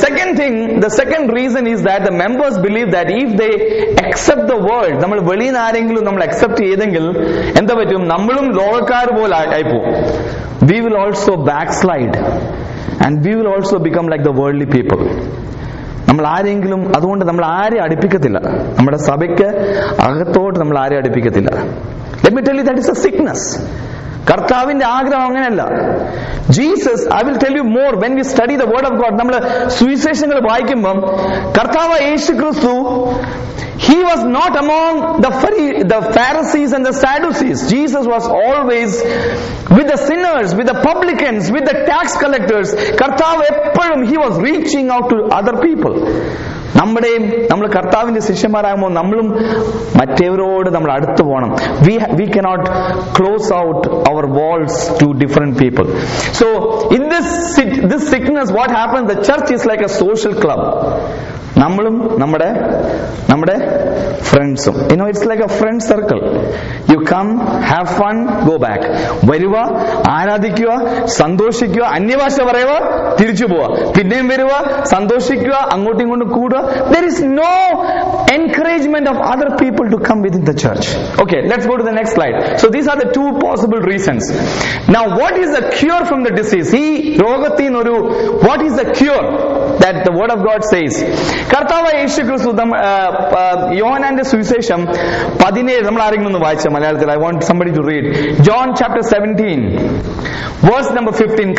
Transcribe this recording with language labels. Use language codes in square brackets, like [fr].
[en] The second reason is that the members believe that if they accept the word, [ml] നമ്മൾ വെളിയിൽ നിന്ന് ആരെങ്കിലും നമ്മൾ അക്സെപ്റ്റ് ചെയ്തെങ്കിൽ എന്താ പറ്റും, നമ്മളും ലോകക്കാർ പോലെ ആയിപ്പോ. [en] We will also backslide and we will also become like the worldly people. [ml] നമ്മൾ ആരെങ്കിലും, അതുകൊണ്ട് നമ്മൾ ആരെ അടുപ്പിക്കത്തില്ല, നമ്മുടെ സഭയ്ക്ക് അകത്തോട്ട് നമ്മൾ ആരെ അടുപ്പിക്കത്തില്ല. [en] Let me tell you, that is a sickness. [ml] കർത്താവിന്റെ ആഗ്രഹം അങ്ങനെയല്ല. [en] Jesus, I will tell you more, when we study the word of God, [ml] നമ്മൾ സുവിശേഷങ്ങൾ വായിക്കുമ്പം കർത്താവ് യേശു ക്രിസ്തു [en] He was not among the Pharisees and the Sadducees. Jesus was always with the sinners, with the publicans, with the tax collectors. [ml] Kartav eppozhum, [en] he was reaching out to other people. [ml] നമ്മുടെയും നമ്മൾ കർത്താവിന്റെ ശിഷ്യന്മാരാകുമ്പോൾ നമ്മളും മറ്റേവരോട് നമ്മൾ അടുത്തു പോകണം. [en] We cannot close out our walls to different people. So in this sickness what happens, the church is like a social club. [ml] നമ്മളും നമ്മുടെ ഫ്രണ്ട്സും, [en] You know it's like a friend circle. You come, have fun, go back. [ml] വരിക, ആരാധിക്കുക, സന്തോഷിക്കുക, അന്യഭാഷ പറയുക, തിരിച്ചു പോവുക, പിന്നെയും വരിക, സന്തോഷിക്കുക, അങ്ങോട്ടും ഇങ്ങോട്ടും കൂടുക. [en] There is no encouragement of other people to come within the church. Okay, let's go to the next slide. So these are the two possible reasons. Now, what is the cure from the disease? [ml] ഈ രോഗത്തിൽ നിന്നൊരു, [en] what is the cure? That the word of God says, [ml] കർത്താവായ യേശു ക്രിസ്തു യോഹന്നാന്റെ സുവിശേഷം 17, നമ്മൾ ആരെങ്കിലും ഒന്ന് വായിച്ച മലയാളത്തിൽ, [en] I want somebody to read John chapter 17 verse number 15.